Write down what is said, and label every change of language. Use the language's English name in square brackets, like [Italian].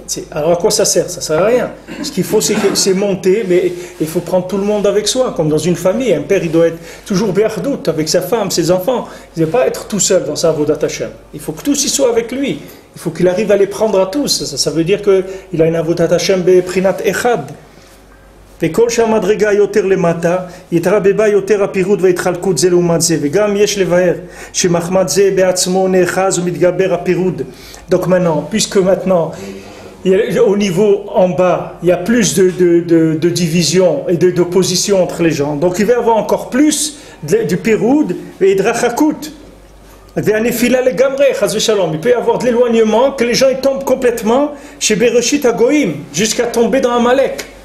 [French] Alors à quoi ça sert? Ça ne sert à rien. Ce qu'il faut, c'est monter, mais il faut prendre tout le monde avec soi, comme dans une famille. Un père, il doit être toujours béardoute avec sa femme, ses enfants. Il ne doit pas être tout seul dans sa avodat Hashem. Il faut que tous y soient avec lui. Il faut qu'il arrive à les prendre à tous. Ça veut dire qu'il a une avodat Hashem beprinat echad. [Hebrew] וכל שהמדרגה יותר למטה, יתרה בבא יותר הפירוד וההתחלקות זה לעומת זה. וגם יש לבאר שמחמת זה בעצמו נאחז ומתגבר הפירוד. [French] Donc maintenant, puisque maintenant, au niveau en bas, il y a plus de division et d'opposition entre les gens. Donc il va y avoir encore plus du pirud et de rachakout. Il peut y avoir de l'éloignement, que les gens tombent complètement chez Bereshit Agoïm, jusqu'à tomber dans Amalek.